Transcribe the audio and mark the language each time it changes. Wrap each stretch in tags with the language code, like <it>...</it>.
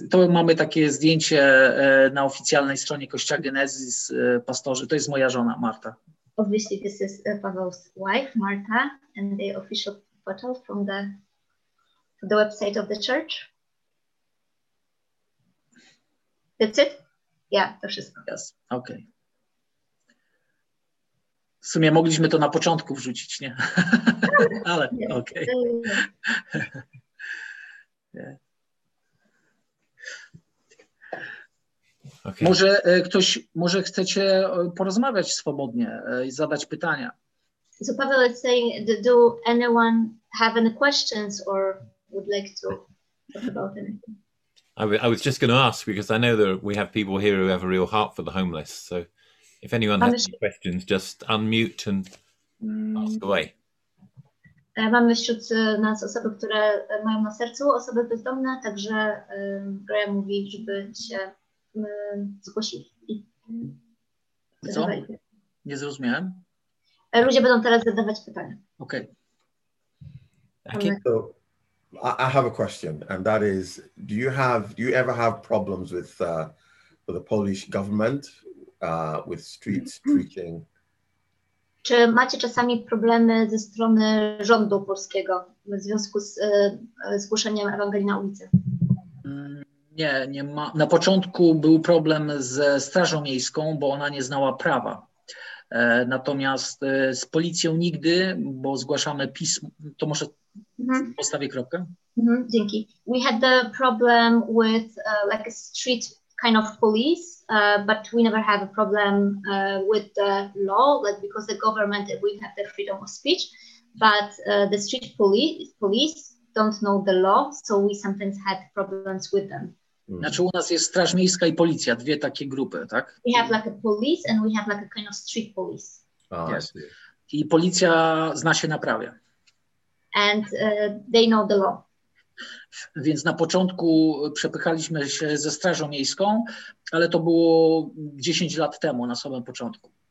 <pl>To mamy takie zdjęcie na oficjalnej stronie Kościoła Genesis, pastorzy. To jest moja żona, Marta.</pl> <en>Obviously, this is Pavel's wife, Marta, and the official photo from the website of the church. That's it? Yeah,</en> <pl>to wszystko.</pl> <en>Yes, okay.</en> <pl>W sumie mogliśmy to na początku wrzucić, nie? Ale, okay. Okay. Może ktoś, może chcecie porozmawiać swobodnie i zadać pytania.</pl> <en>So Pavel is saying, do anyone have any questions or would like to talk about anything? I was just going to ask because I know that we have people here who have a real heart for the homeless. So if anyone has any questions, just unmute and ask away.</en> <pl>Mamy wśród nas osoby, które mają na sercu osoby bezdomne, także Graham mówi, żeby się zgłosić. Co? Nie zrozumiałem. Ludzie będą teraz zadawać pytania. Okej.</pl> <en>I have a question, and that is, do you ever have problems with the Polish government, with streets preaching?</en> <pl>Czy macie czasami problemy ze strony rządu polskiego w związku z zgłoszeniem Ewangelii na ulicy? Nie, nie ma. Na początku był problem ze strażą miejską, bo ona nie znała prawa. Natomiast z policją nigdy, bo zgłaszamy pismo. To może postawię kropkę. Dzięki.</pl> <en>We had the problem with like a street kind of police, but we never have a problem with the law, like because the government, we have the freedom of speech, but the street police don't know the law, so we sometimes had problems with them.</en> <pl>Znaczy u nas jest straż miejska i policja, dwie takie grupy, tak?</pl> <en>We have like a police and we have like a kind of street police. Oh, yes.</en> <pl>I policja zna się na prawie.</pl> <en>And they know the law.</en> <pl>Więc na początku przepychaliśmy się ze strażą miejską, ale to było 10 lat temu, na samym początku.</pl>